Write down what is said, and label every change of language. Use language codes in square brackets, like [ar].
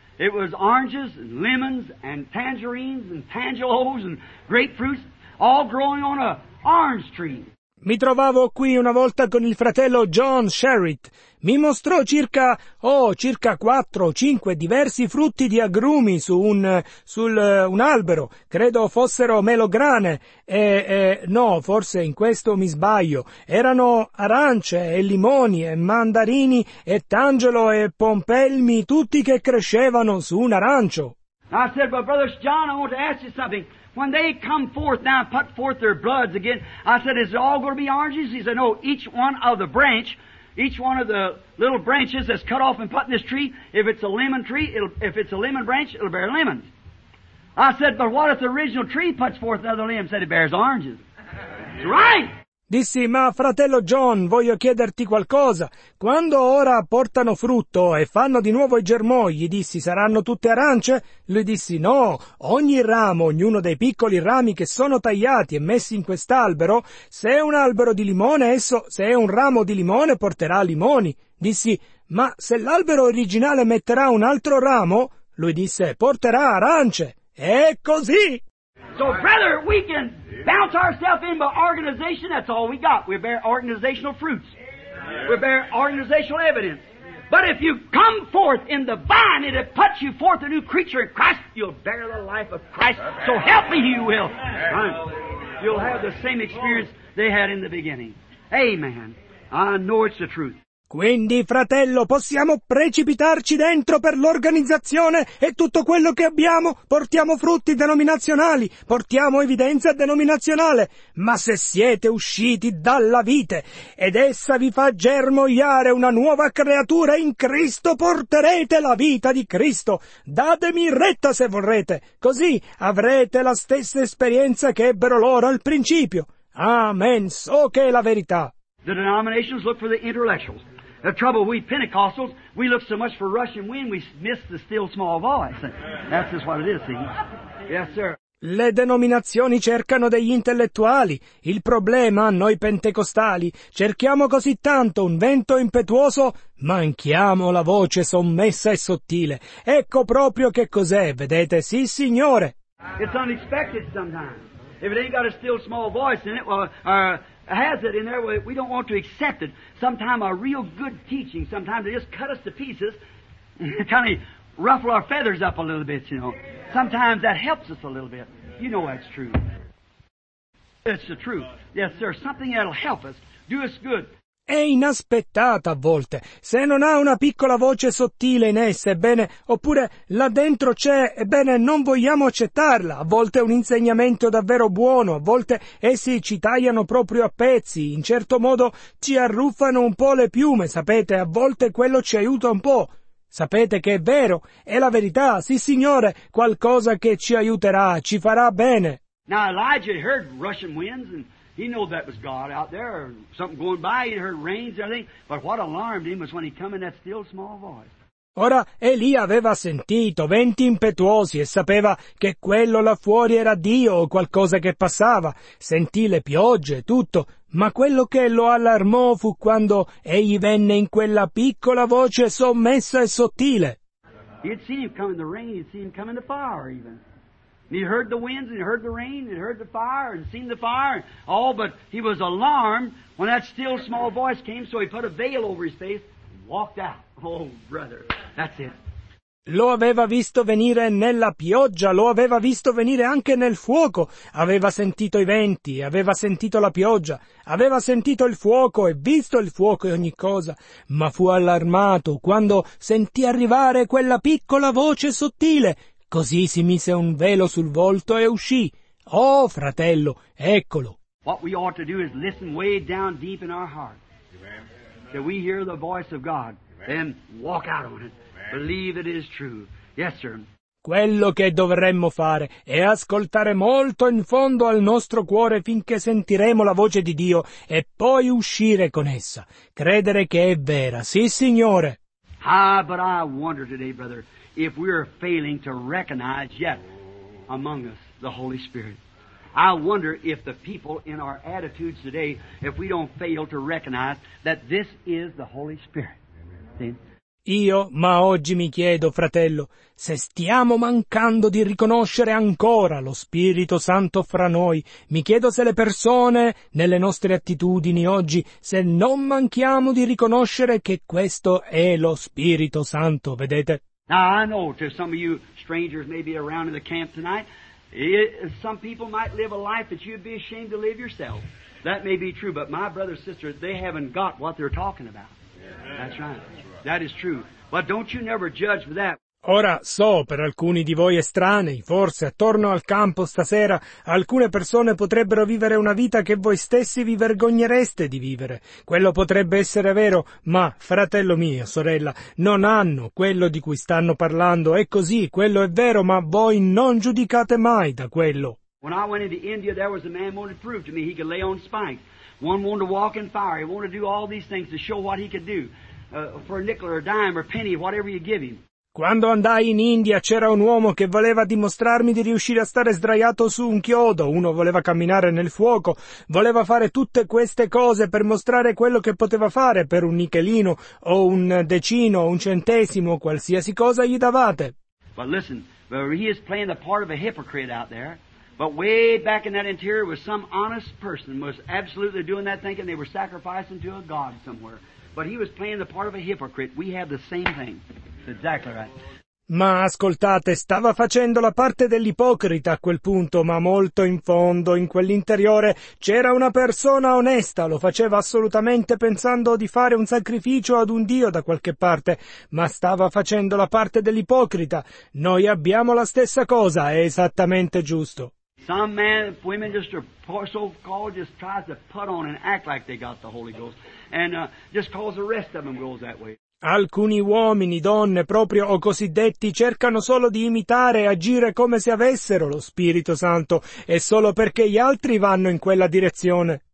[en] It was oranges and lemons and tangerines and tangelos and grapefruits. All growing on an orange tree. [it] Mi trovavo qui una volta con il fratello John Sherrod. Mi mostrò circa 4 o 5 diversi frutti di agrumi su un albero. Credo fossero melograne. Forse in questo mi sbaglio. Erano arance e limoni e mandarini e tangelo e pompelmi, tutti che crescevano su un arancio. [en] I said, but brother John, I want to ask you something. When they come forth now and put forth their buds again, I said, is it all going to be oranges? He said, no, each one of the little branches that's cut off and put in this tree, if it's a lemon branch, it'll bear lemons. I said, but what if the original tree puts forth another limb? Said, it bears oranges. It's right! [it] Dissi, ma fratello John, voglio chiederti qualcosa. Quando ora portano frutto e fanno di nuovo i germogli, dissi, saranno tutte arance? Lui disse, no, ogni ramo, ognuno dei piccoli rami che sono tagliati e messi in quest'albero, se è un albero di limone, se è un ramo di limone, porterà limoni. Dissi, ma se l'albero originale metterà un altro ramo, lui disse, porterà arance. È così! [en] So, brother, we can bounce ourselves in by organization, that's all we got. We bear organizational fruits. We bear organizational evidence. But if you come forth in the vine and it puts you forth a new creature in Christ, you'll bear the life of Christ. So help me, you will. You'll have the same experience they had in the beginning. Amen. I know it's the truth. [it] Quindi, fratello, possiamo precipitarci dentro per l'organizzazione e tutto quello che abbiamo, portiamo frutti denominazionali, portiamo evidenza denominazionale. Ma se siete usciti dalla vite ed essa vi fa germogliare una nuova creatura in Cristo, porterete la vita di Cristo. Datemi retta se vorrete, così avrete la stessa esperienza che ebbero loro al principio. Amen, so che è la verità. [en] The denominations look for the intellectuals. The trouble, we Pentecostals, we look so much for Russian wind, we miss the still small voice. That's just what it is, see? Yes, sir. [it] Le denominazioni cercano degli intellettuali. Il problema, noi pentecostali, cerchiamo così tanto un vento impetuoso, manchiamo la voce sommessa e sottile. Ecco proprio che cos'è, vedete? Sì, signore. [en] It's unexpected sometimes. If it ain't got a still small voice in it, has it in there, we don't want to accept it. Sometimes a real good teaching, sometimes they just cut us to pieces, kind of ruffle our feathers up a little bit, you know. Sometimes that helps us a little bit. You know that's true. It's the truth. Yes, sir. Something that'll help us. Do us good. [it] È inaspettata a volte. Se non ha una piccola voce sottile in essa, ebbene, oppure là dentro c'è, ebbene, non vogliamo accettarla. A volte è un insegnamento davvero buono, a volte essi ci tagliano proprio a pezzi, in certo modo ci arruffano un po' le piume, sapete, a volte quello ci aiuta un po'. Sapete che è vero, è la verità, sì signore, qualcosa che ci aiuterà, ci farà bene. [en] Now Elijah heard Russian winds and he knew that was God out there, or something going by, he heard rains and everything, but what alarmed him was when he come in that still small voice. [it] Ora Elì aveva sentito venti impetuosi e sapeva che quello là fuori era Dio o qualcosa che passava. Sentì le piogge e tutto, ma quello che lo allarmò fu quando egli venne in quella piccola voce sommessa e sottile. [en] He'd seen him coming the rain, he'd seen him coming the fire even. And he heard the winds and he heard the rain and he heard the fire and seen the fire. Oh, but he was alarmed when that still small voice came, so he put a veil over his face and walked out. Oh, brother, that's it. [it] Lo aveva visto venire nella pioggia, lo aveva visto venire anche nel fuoco. Aveva sentito i venti, aveva sentito la pioggia, aveva sentito il fuoco e visto il fuoco e ogni cosa. Ma fu allarmato quando sentì arrivare quella piccola voce sottile. Così si mise un velo sul volto e uscì. Oh, fratello, eccolo. [en] What we ought to do is listen way down deep in our heart. That we hear the voice of God. Then walk out on it. Believe it is true. Yes, sir. [it] Quello che dovremmo fare è ascoltare molto in fondo al nostro cuore finché sentiremo la voce di Dio e poi uscire con essa. Credere che è vera. Sì, Signore. [en] Ah, but I wonder today, brother, if we are failing to recognize yet among us the Holy Spirit. I wonder if the people in our attitudes today, if we don't fail to recognize that this is the Holy Spirit. See? [it] Io, ma oggi mi chiedo, fratello, se stiamo mancando di riconoscere ancora lo Spirito Santo fra noi. Mi chiedo se le persone, nelle nostre attitudini oggi, se non manchiamo di riconoscere che questo è lo Spirito Santo, vedete? [en] Now, I know to some of you strangers maybe around in the camp tonight, some people might live a life that you'd be ashamed to live yourself. That may be true, but my brothers and sisters, they haven't got what they're talking about. That's right. That is true. But don't you never judge for that. [it] Ora so, per alcuni di voi estranei, forse attorno al campo stasera, alcune persone potrebbero vivere una vita che voi stessi vi vergognereste di vivere. Quello potrebbe essere vero, ma, fratello mio, sorella, non hanno quello di cui stanno parlando. È così, quello è vero, ma voi non giudicate mai da quello. [en] When I went into India, there was a man who wanted to prove to me he could lay on spikes. One wanted to walk in fire. He wanted to do all these things to show what he could do. For a nickel or a dime or a penny, whatever you give him. [it] Quando andai in India c'era un uomo che voleva dimostrarmi di riuscire a stare sdraiato su un chiodo, uno voleva camminare nel fuoco, voleva fare tutte queste cose per mostrare quello che poteva fare per un nichelino o un decino o un centesimo, qualsiasi cosa gli davate. [en] But listen, he is playing the part of a hypocrite out there, but way back in that interior was some honest person was absolutely doing that thinking they were sacrificing to a god somewhere. But he was playing the part of a hypocrite. We have the same thing. Exactly right. [it] Ma ascoltate, stava facendo la parte dell'ipocrita a quel punto, ma molto in fondo, in quell'interiore, c'era una persona onesta, lo faceva assolutamente pensando di fare un sacrificio ad un Dio da qualche parte, ma stava facendo la parte dell'ipocrita. Noi abbiamo la stessa cosa, è esattamente giusto. [en] Some men, women, just are so-called, just tries to put on and act like they got the Holy Ghost, and just calls the rest of them goes that way. [it] Alcuni uomini, donne, proprio o cosiddetti, cercano solo di imitare e agire come se avessero lo Spirito Santo, e solo perché gli altri vanno in quella direzione.